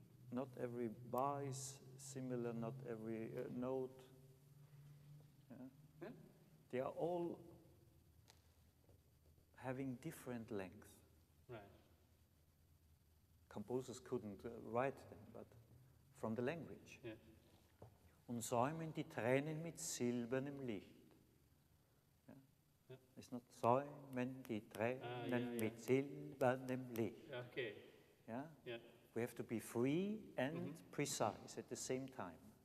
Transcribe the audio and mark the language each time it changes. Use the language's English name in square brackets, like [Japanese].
[English] Not every bar is similar. Not every note. They are all having different length. Right. Composers couldn't write them, but from the language. Yeah. [German] Und säumen die Tränen mit silbernem Licht. [English] Yeah. It's not [German] säumen die Tränen mit silbernem Licht. [English] Okay. Yeah? Yeah. We have to be free and precise at the same time.